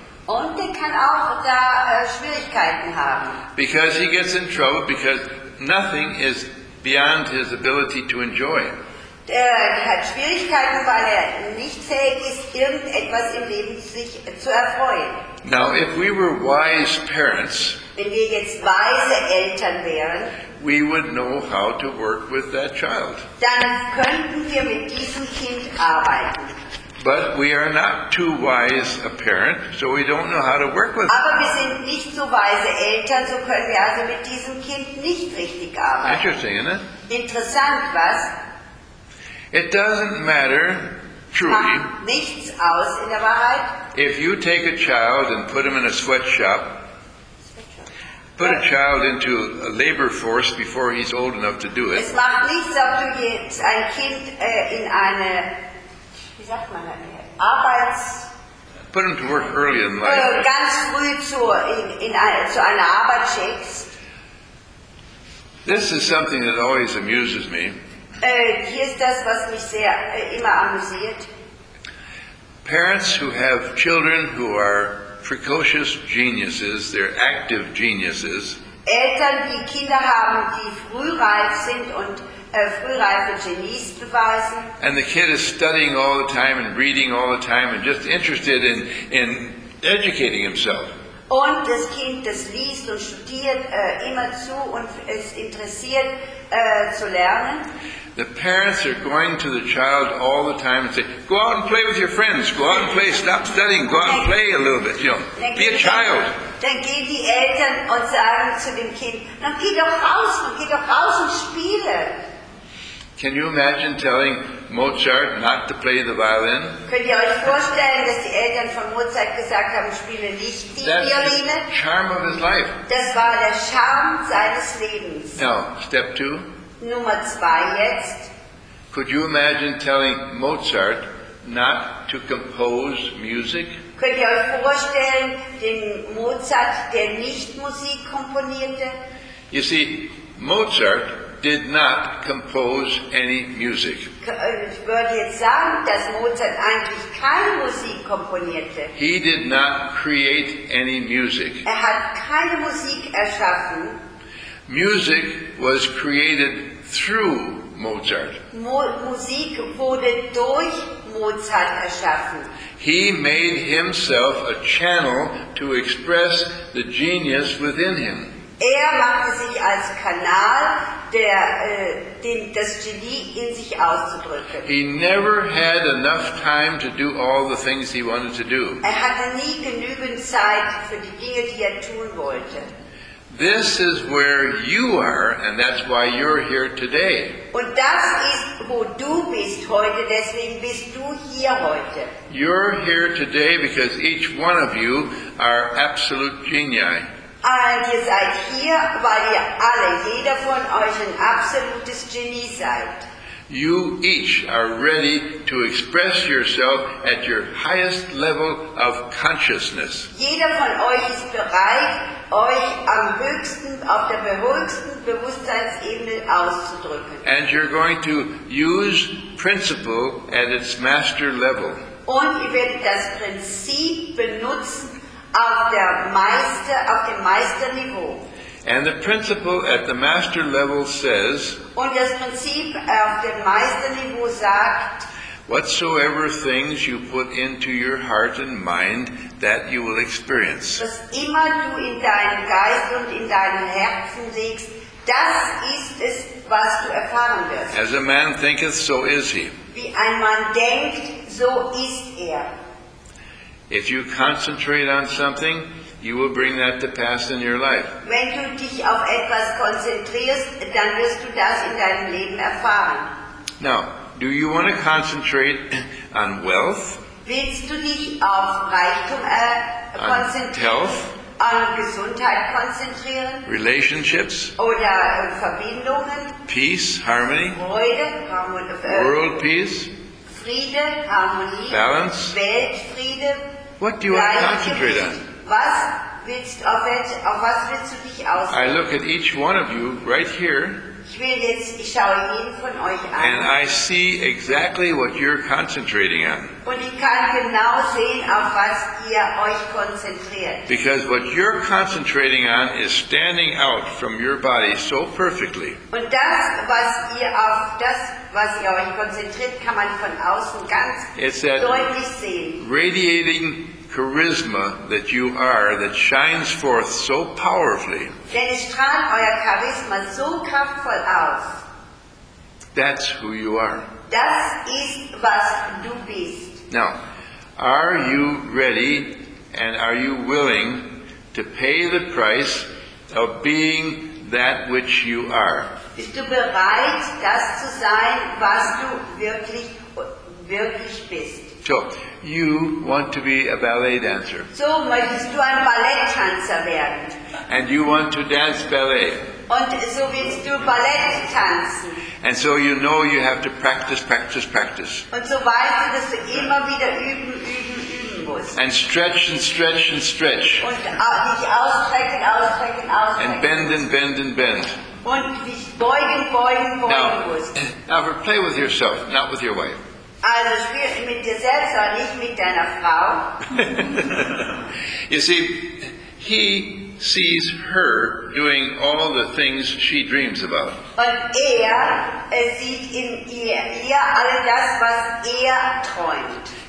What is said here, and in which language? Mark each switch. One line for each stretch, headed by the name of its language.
German: Und er kann auch da Schwierigkeiten haben.
English: Because he gets in trouble because nothing is beyond his ability to enjoy.
German: Er hat Schwierigkeiten, weil er nicht fähig ist, irgendetwas im Leben sich zu erfreuen.
English: Now, if we were wise parents,
German: wenn wir jetzt weise Eltern wären,
English: we would know how to work with that child.
German: Dann könnten wir mit diesem Kind arbeiten.
English: But we are not too wise a parent, so we don't know how to work with.
German: Aber wir sind nicht so weise Eltern, so können wir also mit diesem Kind nicht richtig arbeiten.
English: Interesting, isn't it?
German: Interessant, was?
English: It doesn't matter, truly.
German: Macht nichts aus in der Wahrheit.
English: If you take a child and put him in a sweatshop. Put a child into a labor force before he's old enough to do it.
German: Es macht nichts, ob du jetzt ein Kind in eine, wie sagt man das, Arbeits.
English: Put him to work early in life.
German: Ganz früh zu einer Arbeit schickst.
English: This is something that always amuses me.
German: Hier ist das, was mich sehr immer amüsiert.
English: Parents who have children who are precocious geniuses, they're active geniuses.
German: Eltern, die Kinder haben, die frühreif sind und frühreife Genies beweisen.
English: And the kid is studying all the time and reading all the time and just interested in educating himself.
German: Und das Kind, das liest und studiert immerzu und ist interessiert zu lernen.
English: The parents are going to the child all the time and say, go out and play with your friends, go out and play, stop studying, go out and play a little bit, you know, be a child.
German: Dann gehen die Eltern und sagen zu dem Kind, dann geh doch raus und spiele.
English: Can you imagine telling Mozart not to play the violin?
German: Könnt ihr euch vorstellen, dass die Eltern von Mozart gesagt haben, spiele nicht die
English: That's
German: Violine?
English: The charm of his life.
German: Das war der Charme seines Lebens.
English: Now, step two.
German: Nummer zwei jetzt.
English: Could you imagine telling Mozart not to compose music?
German: Könnt ihr euch vorstellen, den Mozart, der nicht Musik komponierte?
English: You see, Mozart did not compose any music.
German: Ich würde jetzt sagen, dass Mozart eigentlich keine Musik komponierte.
English: He did not create any music.
German: Er hat keine Musik erschaffen.
English: Music was created through Mozart.
German: Musik wurde durch Mozart erschaffen.
English: He made himself a channel to express the genius within him.
German: Er machte sich als Kanal, der, das Genie in sich auszudrücken.
English: He never had enough time to do all the things he wanted to do.
German: Er hatte nie genügend Zeit für die Dinge, die er tun wollte.
English: This is where you are, and that's why you're here today.
German: Und das ist, wo du bist heute, deswegen bist du hier heute.
English: You're here today because each one of you are absolute genii.
German: Und ihr seid hier, weil ihr alle, jeder von euch, ein absolutes Genie seid.
English: You each are ready to express yourself at your highest level of consciousness.
German: Jeder von euch ist bereit, euch am höchsten, auf der höchsten Bewusstseinsebene auszudrücken.
English: And you're going to use principle at its master level.
German: Und ihr werdet das Prinzip benutzen auf der Meister, auf dem Meisterniveau.
English: And the principle at the master level says,
German: und das Prinzip auf dem Meisterniveau sagt,
English: whatsoever things you put into your heart and mind, that you will experience.
German: Was immer du in deinen Geist und in deinem Herzen legst, das ist es, was du erfahren wirst.
English: As a man thinketh, so is he.
German: Wie ein Mann denkt, so ist er.
English: If you concentrate on something, you will bring that to pass in your life.
German: Wenn du dich auf etwas konzentrierst, dann wirst du das in deinem Leben erfahren.
English: Now, do you want to concentrate on wealth?
German: Willst du dich auf Reichtum konzentrieren?
English: Health?
German: An Gesundheit konzentrieren?
English: Relationships?
German: Oder Verbindungen?
English: Peace, harmony?
German: Freude, Harmonie.
English: World peace?
German: Friede, Harmonie.
English: Balance?
German: Weltfriede.
English: What do you want to concentrate on?
German: Was willst, auf was willst du dich ausrichten?
English: I look at each one of you right here.
German: Ich will jetzt, ich schaue jeden von euch an.
English: And I see exactly what you're concentrating on.
German: Und ich kann genau sehen, auf was ihr euch konzentriert.
English: Because what you're concentrating on is standing out from your body so perfectly.
German: Und das, was ihr auf das, was ihr euch konzentriert, kann man von außen ganz deutlich sehen.
English: Radiating charisma that you are that shines forth so powerfully.
German: Denn es strahlt euer Charisma so kraftvoll aus.
English: That's who you are.
German: Das ist, was du bist.
English: Now, are you ready and are you willing to pay the price of being that which you are?
German: Bist du bereit, das zu sein, was du wirklich, wirklich bist?
English: So, you want to be a ballet dancer.
German: So, möchtest du ein Balletttänzer werden?
English: And you want to dance ballet.
German: Und so willst du Ballett tanzen.
English: And so you know you have to practice, practice, practice.
German: Und so weißt du, dass du immer wieder üben, üben, üben musst.
English: And stretch and stretch and stretch.
German: Und dich ausstrecken, ausstrecken, ausstrecken.
English: And bend and bend and bend.
German: Und dich beugen, beugen, beugen
English: now,
German: musst.
English: Now, play with yourself, not with your wife.
German: Also spiel mit dir selbst, aber nicht mit deiner Frau.
English: You see, he sees her doing all the things she dreams about.
German: Und er sieht in ihr alle das, was er träumt.